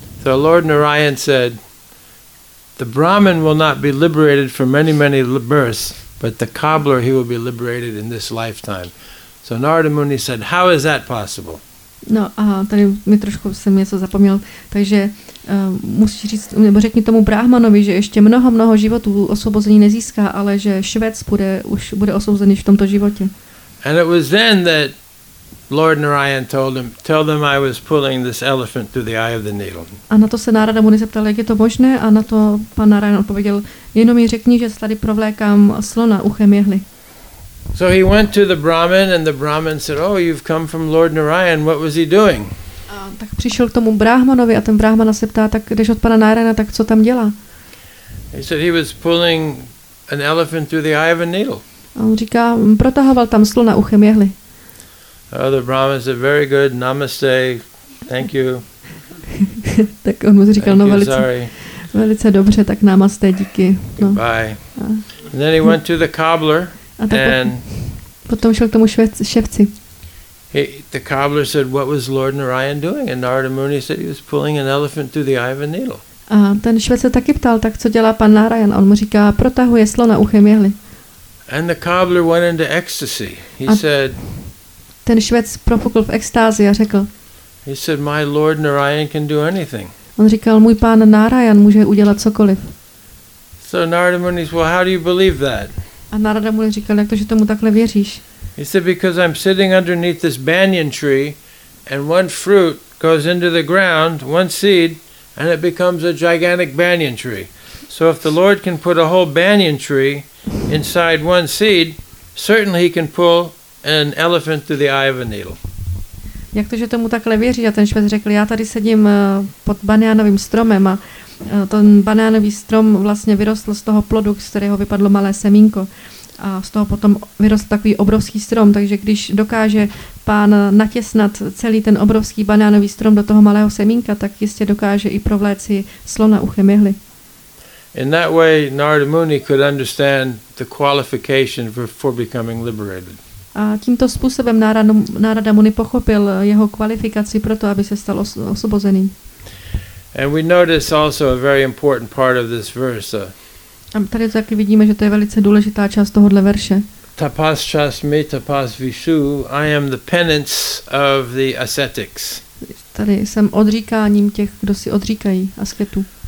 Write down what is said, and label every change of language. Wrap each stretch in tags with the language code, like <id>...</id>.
<en>So Lord Narayan said, the Brahmin will not be liberated for many, many births, but the cobbler, he will be liberated in this lifetime. So Narada Muni said, how is that possible?</en> <cs>No a tady mi trošku jsem něco zapomněl, takže musíš říct, nebo řekni tomu Brahmanovi, že ještě mnoho životů osvobození nezíská, ale že Švec bude osvobozený v tomto životě.</cs> <en>And it was then that Lord Narayan told him, tell them I was pulling this elephant through the eye of the needle.</en> <cs>A na to se Narada Muni zeptal, jak je to možné, a na to pan Narayan odpověděl, jenom mi řekni, že tady provlékám slona uchem jehly.</cs> <en>So he went to the Brahmin and the Brahmin said, "Oh, you've come from Lord Narayan. What was he doing?"</en> <cs>tak přišel k tomu bráhmanovi a ten bráhmana se ptá, tak když od pana Nárajna, tak co tam dělá?</cs> <en>He said he was pulling an elephant through the eye of a needle.</en> <cs>On říká, protahoval tam slona uchem jehly.</cs> <en>Other brahman said, very good, namaste, thank you.</en> <cs>Tak on mu říkal, no velice, sorry. Velice dobře, tak namaste, díky. No.</cs> <en>Goodbye. And then he went to the cobbler and</en> <cs>potom šel k tomu ševci.</cs> <en>He, the cobbler said, what was Lord Narayan doing? And Narada Muni said he was pulling an elephant through the eye of a needle.</en> <cs>A ten švec se taky ptal, tak co dělá pan Narayan? On mu říká, protahuje slona uchem jehly.</cs> <en>And the cobbler went into ecstasy. He said,</en> <cs>ten švec propukl v extázi a řekl,</cs> <en>he said, my Lord Narayan can do anything.</en> <cs>On říkal, můj pán Narayan může udělat cokoliv.</cs> <en>So Narada Muni said, well, how do you believe that?</en> <cs>A Narada Muni říkal, jak to, že tomu takhle věříš?</cs> <en>He said, because I'm sitting underneath this banyan tree and one fruit goes into the ground, one seed, and it becomes a gigantic banyan tree. So if the Lord can put a whole banyan tree inside one seed, certainly he can pull an elephant through the eye of a needle.</en> <cs>Jak to, že tomu takhle věří? A ten švec řekl, já tady sedím pod banyánovým stromem a ten banyánový strom vlastně vyrostl z toho plodu, z kterého vypadlo malé semínko. A z toho potom vyrostl takový obrovský strom, takže když dokáže pán natěsnat celý ten obrovský banánový strom do toho malého semínka, tak jistě dokáže i provléct si slona uchem jehly.</cs> <en>In that way Narada Muni could understand the qualification for becoming liberated.</en> <cs>A tímto způsobem Narada Muni pochopil jeho kvalifikaci pro to, aby se stal osvobozený.</cs> <en>And we notice also a very important part of this verse.</en> <cs>A tady taky vidíme, že to je velice důležitá část tohohle verše.</cs> <sa>Tapas chasmi tapas vishu,</sa> <en>I am the penance of the ascetics.</en> <cs>Tady jsem odříkáním těch, kdo si odříkají asketů.</cs>